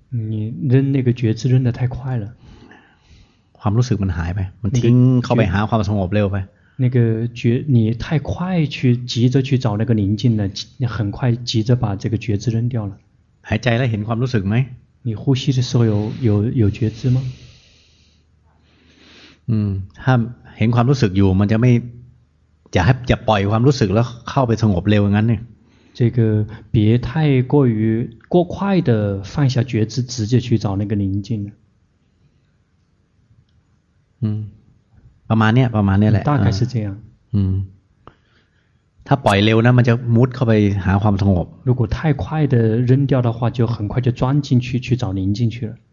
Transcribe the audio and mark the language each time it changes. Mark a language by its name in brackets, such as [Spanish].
[Chinese] 你扔那个觉知扔的太快了 [Thai] ความรู้สึกมันหายไปมันทิ้งเข้าไปหาความสงบเร็วไป [Chinese] 那个觉你太快去急着去找那个宁静了，很快急着把这个觉知扔掉了。还在那很 [Thai] ความรู้สึกไหม？ [Chinese] 你呼吸的时候有觉知吗？ [Thai] ถ้าเห็นความรู้สึกอยู่มันจะไม่จะปล่อยความรู้สึกแล้วเข้าไปสงบเร็วงั้นเนี่ย [Chinese] 这个别太过于过快的放下觉知，直接去找那个宁静。 [Thai] ประมาณเนี้ยประมาณเนี้ยแหละ [Chinese] 大概是这样 [Thai] ถ้าปล่อยเร็วนะมันจะมุดเข้าไปหาความสงบ [Chinese] 如果太快的扔掉的话就很快就钻进去去找宁静去了